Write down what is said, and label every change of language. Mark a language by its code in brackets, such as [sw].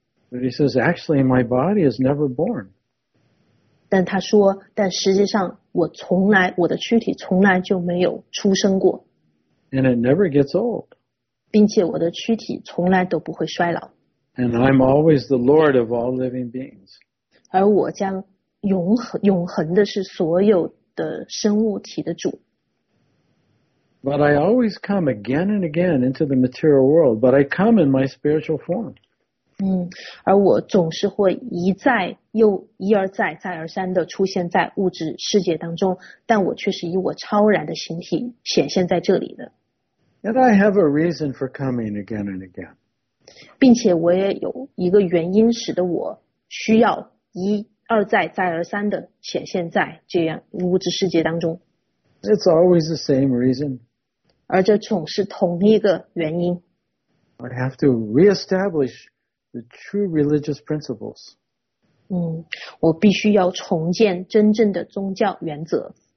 [en] But he says, actually, my body is never born. [zh] 但他说，但实际上我从来，我的躯体从来就没有出生过。 [en] And it never gets old. [zh] 并且我的躯体从来都不会衰老。 [en] And I'm always the Lord of all living beings. [zh] 而我将永恒的是所有的生物体的主。 [en] But I always come again and again into the material world, but I come in my spiritual form. [zh] 而我总是会一再又一而再再而三的出现在物质世界当中，但我却是以我超然的形体显现在这里的。 [en] And I have a reason for coming again and again. [zh] 并且我也有一个原因使得我需要一而再再而三的显现在这样物质世界当中。 [en] It's always the same reason. [zh] 而这总是同一个原因。 [en] I have to reestablish the true religious principles. [zh] 我必须要重建真正的宗教原则。